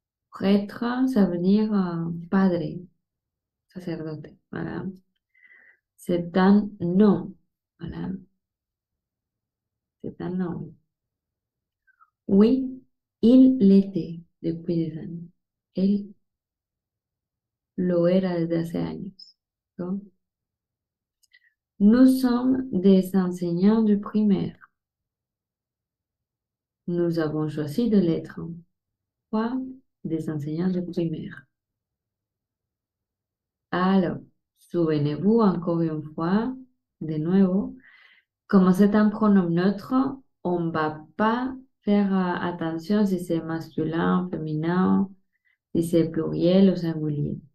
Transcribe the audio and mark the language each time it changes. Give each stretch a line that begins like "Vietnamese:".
French: Prêtre, ça veut dire
Spanish: padre, sacerdote.
French: Voilà. C'est un nom. Voilà. C'est un nom. Oui, il l'était depuis des années.
Spanish: Il lo era desde hace años.
French: Donc, nous sommes des enseignants du primaire. Nous avons choisi de l'être. Quoi? Des enseignants du primaire. Alors, souvenez-vous encore une fois, de nouveau, comme c'est un pronom neutre, on ne va pas faire attention si c'est masculin, féminin, si c'est pluriel ou singulier.